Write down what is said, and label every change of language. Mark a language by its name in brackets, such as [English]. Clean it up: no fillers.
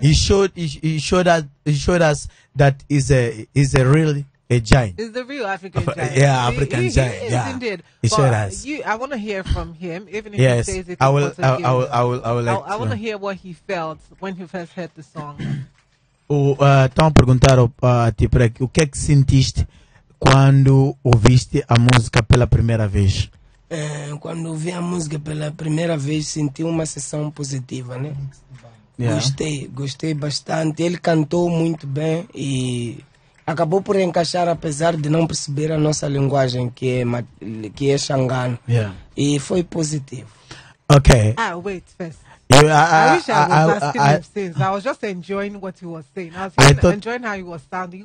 [English] He showed us that he's a really a giant. He's the real African giant. Yeah, African giant. He is, yeah, indeed. He showed us. I want to hear from him, even if yes, he says it. I will. I want to hear what he felt when he first heard the song. [Portuguese] Estão a perguntar ti, Preck, o que é que sentiste quando ouviste a música pela primeira vez? Quando ouvi a música pela primeira vez, senti uma sensação positiva, né? [English] Yeah. [Portuguese] Gostei bastante. Ele cantou muito bem e acabou por encaixar, apesar de não perceber a nossa linguagem, que é xangano. [English] Yeah. [Portuguese] E foi positivo. [English] Ok. Wait first. I wish I was asking him since. I was just enjoying what he was saying. I was enjoying how he was sounding.